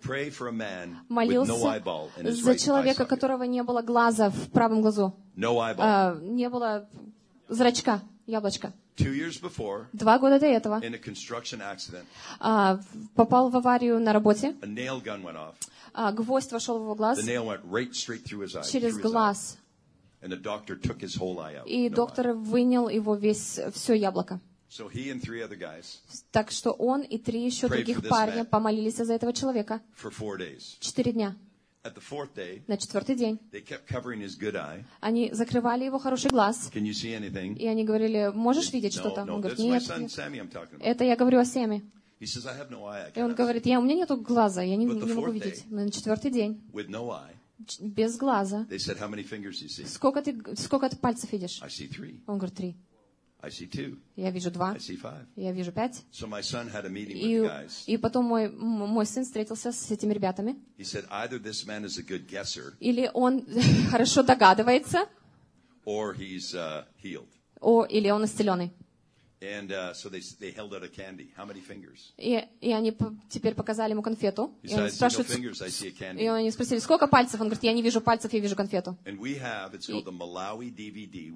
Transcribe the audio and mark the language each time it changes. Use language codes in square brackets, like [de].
[en] Pray for a man [ru] молился [en] with no eyeball in his [ru] за человека, у которого не было глаза в правом глазу. [en] No eyeball. [ru] Не было зрачка, яблочка. [en] 2 years before, [ru] 2 года до этого [en] in a construction accident, [ru] попал в аварию на работе. [en] A nail gun went off. [ru] Гвоздь вошел в его глаз. [en] The nail went right straight through his eye, [ru] через глаз. [en] And the doctor took his whole eye out. [ru] И доктор вынял его все яблоко. [en] So he and three other guys. [ru] Так что он и три еще других парня помолились за этого человека. [en] For 4 days. [ru] 4 дня. [en] At the fourth day. [ru] На четвертый день. [en] They kept covering his good eye. [ru] Они закрывали его хороший глаз. [en] Can you see anything? [ru] И они говорили, можешь видеть что-то? [en] No, [ru] он говорит, [en] that's [ru] нет. [en] My son, Sammy, I'm talking about. [ru] Это я говорю о Сэме. [en] He says, I have no eye. [ru] И он говорит, у меня нету глаза, я не могу видеть. Но на четвертый день. [en] With no eye. [ru] Без глаза. [en] They said, how many fingers you see? [ru] Сколько ты пальцев видишь? [en] I see 3. [ru] Он говорит, 3. [en] I see 2. [ru] Я вижу 2. [en] I see 5. [ru] Я вижу 5. [en] So my son had a meeting with the guys. [ru] И потом мой сын встретился с этими ребятами. [en] He said, either this man is a good guesser. [ru] Или он хорошо догадывается. [en] Or he's healed. [ru] Или он исцеленный. [en] And so they held out a candy. How many fingers? [ru] И они теперь показали ему конфету. И он спрашивает. [en] No fingers, I see a candy. [ru] И они спросили, сколько пальцев? Он говорит, я не вижу пальцев, я вижу конфету. [en] And we have, it's called the Malawi DVD.